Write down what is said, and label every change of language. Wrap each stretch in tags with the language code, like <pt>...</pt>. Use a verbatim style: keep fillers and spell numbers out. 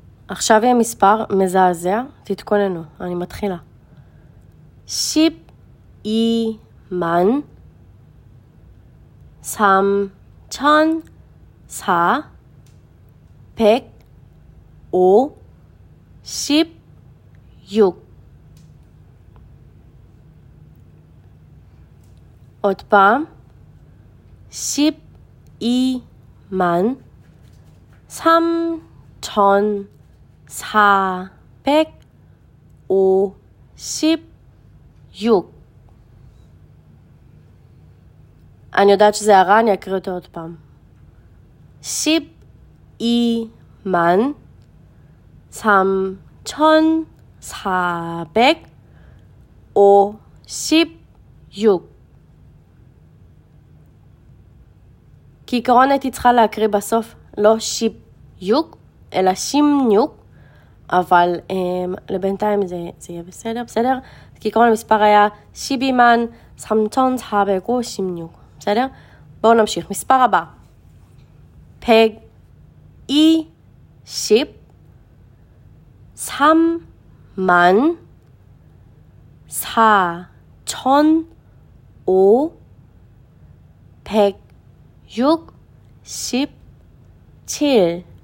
<he>עכשיו יהיה מספר מזעזע, תתכוננו, אני מתחילה.</he> <ko>십이만 삼천, 사, 백, 오, 십육.</ko> <he>עוד פעם,</he> <ko>십이만, 삼천, 사, 백, 오, 십육.</ko> <he>אני יודעת שזה הרע, אני אקריא אותו עוד פעם.</he> <ko>십이만, 삼천사백오십육.</ko> <he>כעיקרון הייתי צריכה להקריא בסוף לא שיפיוק, אלא שימיוק, אבל אמ, לבינתיים זה, זה יהיה בסדר, בסדר? כעיקרון המספר היה</he> <ko>십이만, 삼천사백오십육.</ko> <he>בסדר? בואו נמשיך. מספר הבא,</he> <ko>백이십, 삼만, 사천오, 백육십칠.</ko>